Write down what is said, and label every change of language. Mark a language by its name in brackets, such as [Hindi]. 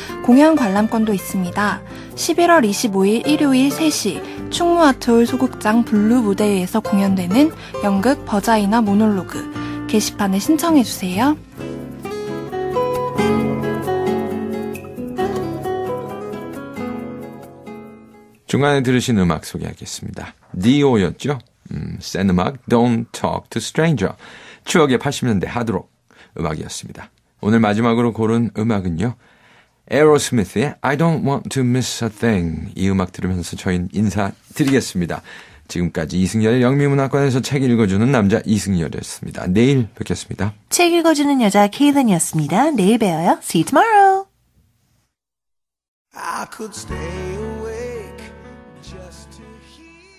[Korean] 공연 관람권도 있습니다. 11월 25일 일요일 3시 충무아트홀 소극장 블루 무대에서 공연되는 연극 버자이나 모놀로그 게시판에 신청해주세요. 중간에 들으신 음악 소개하겠습니다. D.O.였죠? 센 음악 Don't Talk to Stranger. 추억의 80년대 하드록 음악이었습니다. 오늘 마지막으로 고른 음악은요. 에어로스미스의 I Don't Want to Miss a Thing. 이 음악 들으면서 저희는 인사드리겠습니다. 지금까지 이승열 영미문학관에서 책 읽어주는 남자 이승열이었습니다. 내일 뵙겠습니다. 책 읽어주는 여자 케이든이었습니다. 내일 봬요. [English] See you tomorrow. I could stay.